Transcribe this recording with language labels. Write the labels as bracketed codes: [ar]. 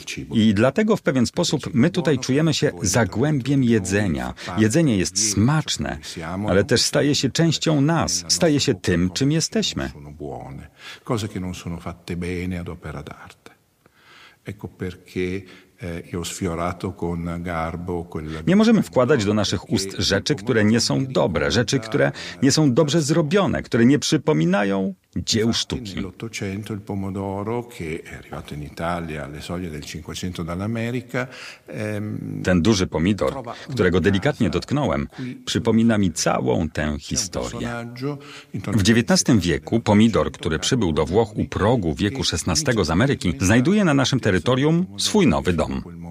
[pl] I dlatego w pewien sposób my tutaj czujemy się zagłębiem jedzenia. Jedzenie jest smaczne, ale też staje się częścią nas, staje się tym, czym jesteśmy. [it] Cose che non sono fatte bene ad opera d'arte. Ecco perché io ho sfiorato con garbo quella. [pl] Nie możemy wkładać do naszych ust rzeczy, które nie są dobre, rzeczy, które nie są dobrze zrobione, które nie przypominają dzieł sztuki. [it] L'Ottocento, il pomodoro che è arrivato in Italia alle soglie del Cinquecento dall'America. [pl] Ten duży pomidor, którego delikatnie dotknąłem, przypomina mi całą tę historię. W XIX wieku pomidor, który przybył do Włoch u progu wieku XVI z Ameryki, znajduje na naszym terytorium swój nowy dom.